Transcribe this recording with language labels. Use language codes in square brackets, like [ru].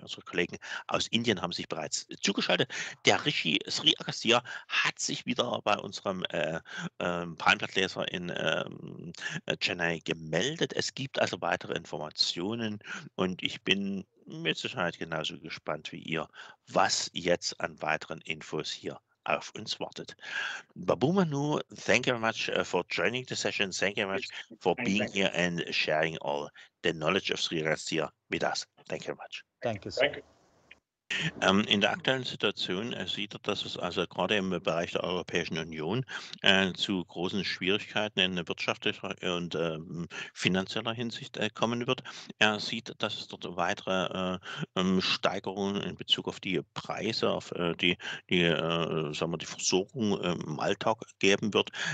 [de] Unsere Kollegen aus Indien haben sich bereits zugeschaltet. Der Rishi Sri Agastya hat sich wieder bei unserem Palmblattleser in Chennai gemeldet. Es gibt also weitere Informationen und ich bin mit Sicherheit genauso gespannt wie ihr, was jetzt an weiteren Infos hier auf uns wartet. [en] Babu Manu, thank you very much for joining the session. Thank you very much for being here and sharing all the knowledge of Sri Agastya with us. Thank you very much. Thank you, sir. [de] In der aktuellen Situation sieht er, dass es also gerade im Bereich der Europäischen Union zu großen Schwierigkeiten in wirtschaftlicher und finanzieller Hinsicht kommen wird. Er sieht, dass es dort weitere Steigerungen in Bezug auf die Preise, auf die Versorgung im Alltag geben wird.